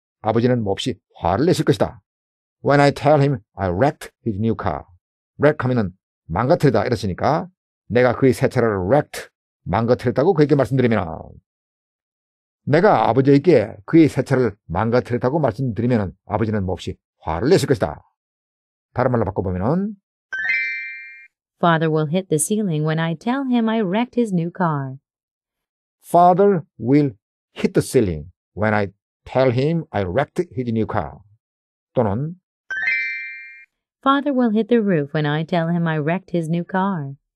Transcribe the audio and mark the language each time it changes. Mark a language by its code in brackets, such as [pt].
[ko] 아버지는 몹시 화를 내실 것이다. [en] When I tell him I wrecked his new car. [ko] Wreck 하면 망가뜨리다 이랬으니까 내가 그의 새 차를 wrecked, 망가뜨렸다고 그에게 말씀드리면 내가 아버지에게 그의 새 차를 망가뜨렸다고 말씀드리면 아버지는 몹시 화를 내실 것이다. 다른 말로 바꿔보면 [en] Father will hit the ceiling when I tell him I wrecked his new car. Father will hit the ceiling when I tell him I wrecked his new car. [ko] 또는 [en] Father will hit the roof when I tell him I wrecked his new car.